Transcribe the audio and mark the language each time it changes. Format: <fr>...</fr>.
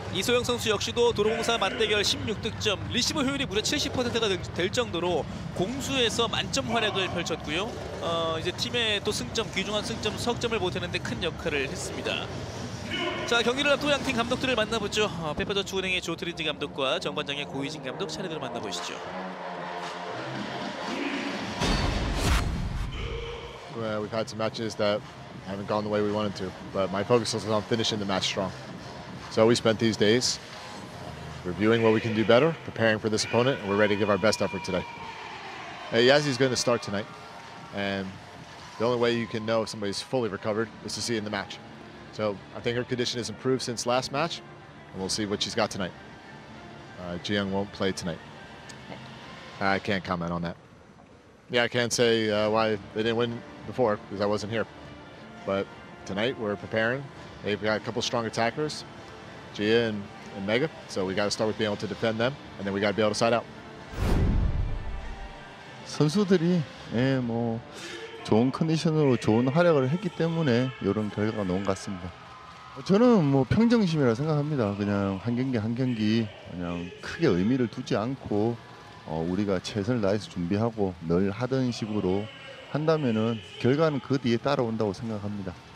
<ko>이소영 선수 역시도 도로공사 맞대결 16득점 리시브 효율이 무려 70%가 될 정도로 공수에서 만점 활약을 펼쳤고요. 이제 팀의 또 승점, 귀중한 승점, 석점을 보태는 데 큰 역할을 했습니다. 자, 경기를 앞두고 양 팀 감독들을 만나보죠. 페퍼저축은행의 조트린지 감독과 정관장의 고희진 감독 차례대로 만나보시죠.</ko> <en>Well, we've had some matches that haven't gone the way we wanted to, but my focus is on finishing the match strong. So we spent these days reviewing what we can do better, preparing for this opponent, and we're ready to give our best effort today. Hey, Yazzie's going to start tonight. And the only way you can know if somebody's fully recovered is to see in the match. So I think her condition has improved since last match, and we'll see what she's got tonight. Jiyoung won't play tonight. I can't comment on that. Yeah, I can't say why they didn't win before, because I wasn't here. But tonight we're preparing. They've got a couple strong attackers, Jia and Mega. So we got to start with being able to defend them, and then we got to be able to side out.</en> <ko>선수들이 예, 뭐 좋은 컨디션으로 좋은 활약을 했기 때문에 이런 결과가 나온 것 같습니다. 저는 뭐 평정심이라 생각합니다. 그냥 한 경기 한 경기 그냥 크게 의미를 두지 않고 우리가 최선을 다해서 준비하고 늘 하던 식으로 한다면은 결과는 그 뒤에 따라온다고 생각합니다.</ko>